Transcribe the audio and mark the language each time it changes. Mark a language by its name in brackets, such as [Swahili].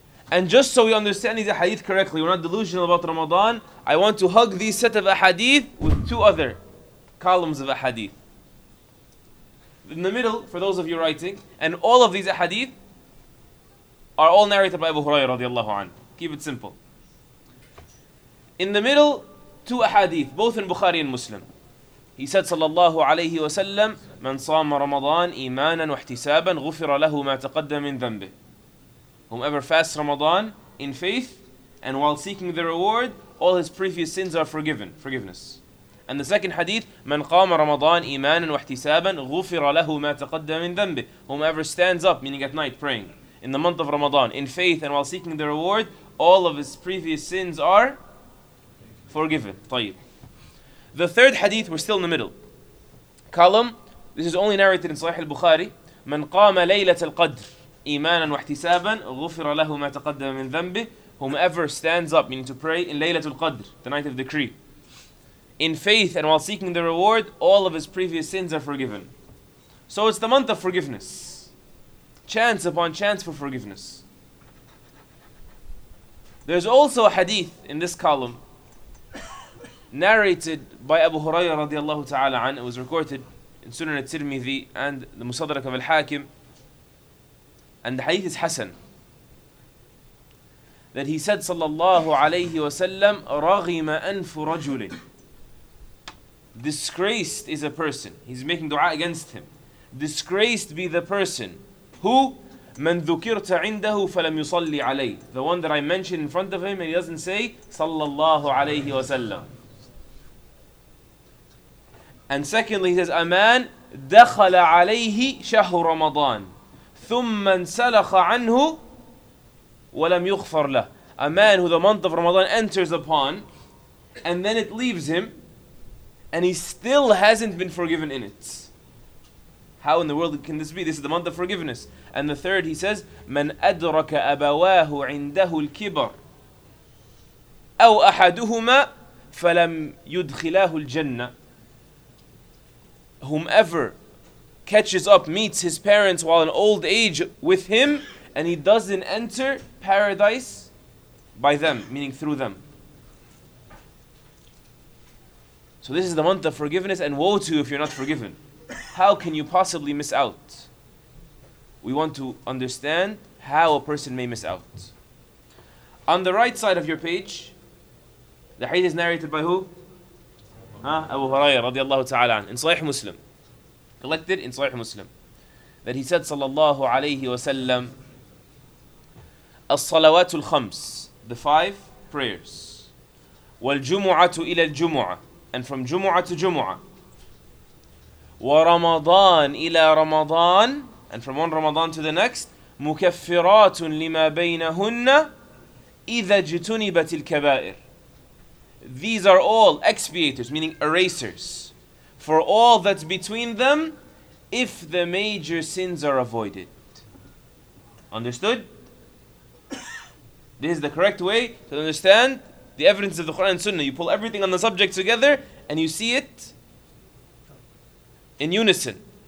[English] And just so we understand these ahadith correctly, we're not delusional about Ramadan, I want to hug these set of ahadith with two other columns of ahadith. In the middle, for those of you writing, and all of these ahadith are all narrated by Abu Hurairah radiallahu anhu. Keep it simple. In the middle, two ahadith, both in Bukhari and Muslim. He said, [Arabic] sallallahu alayhi wa sallam, من صام رمضان إيمانا واحتسابا غفر له ما تقدم من ذنبه. [English] Whomever fasts Ramadan in faith and while seeking the reward, all his previous sins are forgiven, forgiveness. And the second hadith, [Arabic] من قام رمضان إيمانا واحتسابا غفر له ما تقدم من ذنبه. [English] Whomever stands up, meaning at night praying, in the month of Ramadan, in faith and while seeking the reward, all of his previous sins are forgiven. [Arabic] طيب. [English] The third hadith, we're still in the middle. Column, this is only narrated in Sahih al-Bukhari. [Arabic] من قام ليلة القدر إيمانا واحتسابا غفر له ما تقدم من ذنبه. [English] Whomever stands up, meaning to pray, in ليلة القدر, the night of decree, in faith and while seeking the reward, all of his previous sins are forgiven. So it's the month of forgiveness. Chance upon chance for forgiveness. There's also a hadith in this column narrated by Abu Hurairah radiallahu ta'ala an. It was recorded in Sunan al-Tirmidhi and the Musadrak of al-Hakim. And the hadith is Hassan. That he said, [Arabic] sallallahu alayhi wa sallam, رَغِمَ أَنْفُ رَجُلٍ. [English] Disgraced is a person. He's making dua against him. Disgraced be the person who, [Arabic] من ذكرت عنده فلم يصلي عليه. [English] The one that I mentioned in front of him and he doesn't say, sallallahu alayhi wa sallam. And secondly, he says, a man, [Arabic] دخل عليه شهر رمضان ثم انسلخ عنه ولم يغفر له. [English] A man who the month of Ramadan enters upon and then it leaves him, and he still hasn't been forgiven in it. How in the world can this be? This is the month of forgiveness. And the third, he says, [Arabic] من أدرك أبواه عنده الكبر أو أحدهما فلم يدخلاه الجنة. [English] Whomever catches up, meets his parents while in old age with him, and he doesn't enter paradise by them, meaning through them. So this is the month of forgiveness, and woe to you if you're not forgiven. How can you possibly miss out? We want to understand how a person may miss out. On the right side of your page, the hadith is narrated by who? Abu Hurairah radiallahu ta'ala in Sahih Muslim. Collected in Sahih Muslim. That he said, sallallahu alayhi wa sallam, [Arabic] الصلوات الخمس, [English] the five prayers. [Arabic] والجمعة إلى الجمعة, [English] and from [Arabic] جمعة [English] to [Arabic] جمعة. ورمضان إلى رمضان, [English] and from one Ramadan to the next. [Arabic] مكفرات لما بينهن إذا اجتنبت الكبائر. [English] These are all expiators, meaning erasers, for all that's between them if the major sins are avoided. Understood? This is the correct way to understand the evidence of the Quran and Sunnah. You pull everything on the subject together and you see it in unison.